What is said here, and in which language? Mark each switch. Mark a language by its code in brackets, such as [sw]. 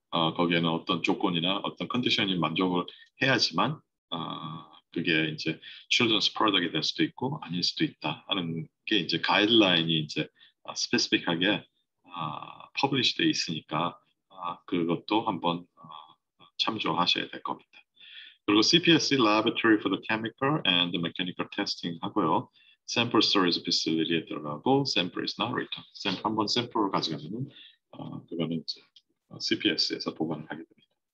[ko] 거기에는 어떤 조건이나 어떤 컨디션이 만족을 해야지만 그게 이제 children's product이 될 수도 있고 아닐 수도 있다 하는 게 이제 가이드라인이 이제 스페시픽하게 퍼블리시 돼 있으니까 그것도 한번 참조하셔야 될 겁니다. 그리고 CPSC Laboratory for the Chemical and the Mechanical Testing 하고요. [en] Sample Storage Facility에 [ko] 들어가고 [en] Sample is not returned. [ko] 한번 샘플을 가져가면 그거는 이제 CPSC에서 보관을 하게 됩니다.